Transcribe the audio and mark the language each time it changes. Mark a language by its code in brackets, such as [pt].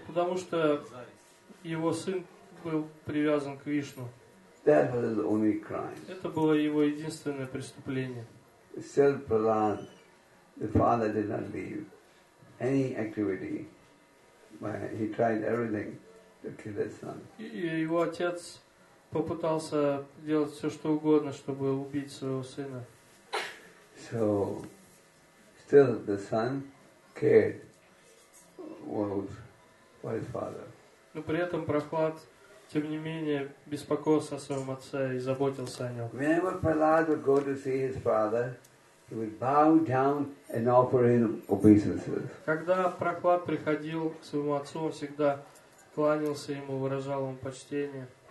[ru] Потому что его сын был привязан к Вишну. [en] That was his only crime. [ru] Это было его единственное преступление. [en] Still, Prahlad, the father did not leave any activity. He tried everything to kill his son. [ru] И его отец попытался делать все что угодно, чтобы убить своего сына. [en] So, still the son cared for his father. [ru] Но при этом Прохлад, тем не менее, беспокоился о своем отце и заботился о нем. [en] Whenever Prahlad would go to see his father, he would bow down and offer him obeisances. [ru] Когда Прохлад приходил к своему отцу, он всегда кланялся ему, выражал ему почтение.